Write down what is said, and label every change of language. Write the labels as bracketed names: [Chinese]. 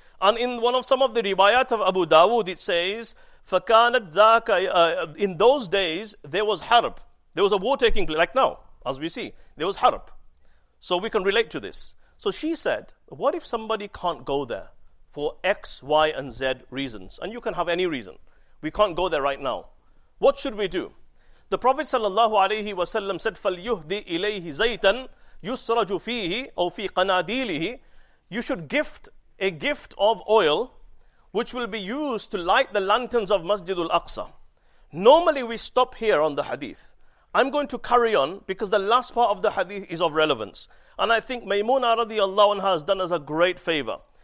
[English] And in one of some of the riwayat of Abu Dawood, it says, [Arabic] فَكَانَتْ ذَاكَ [English] in those days, there was harb. There was a war taking place, like now, as we see. There was harb. So we can relate to this. So she said, what if somebody can't go there for X, Y, and Z reasons? And you can have any reason. We can't go there right now. What should we do? The Prophet sallallahu alayhi wasallam said, [Arabic] فَلْيُهْدِ إِلَيْهِ زَيْتًا يُسْرَجُ فِيهِ أَوْ فِي قَنَادِيلِهِ. [English] You should gift a gift of oil which will be used to light the lanterns of Masjid al-Aqsa. Normally we stop here on the hadith. I'm going to carry on because the last part of the hadith is of relevance. And I think Maymuna radiallahu anha has done us a great favor.